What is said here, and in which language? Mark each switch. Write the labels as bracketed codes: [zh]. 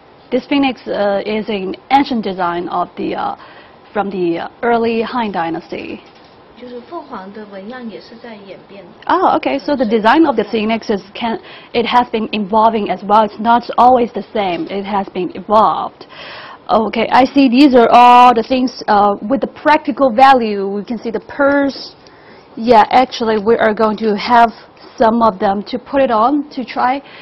[en] This phoenix is an ancient design of the from the early Han Dynasty. [zh] 就是凤凰的纹样也是在演变。 [en] Oh, okay. So the design of the phoenix is it has been evolving as well. It's not always the same. It has been evolved. Okay, I see. These are all the things with the practical value. We can see the purse. Yeah, actually, we are going to have some of them to put it on to try.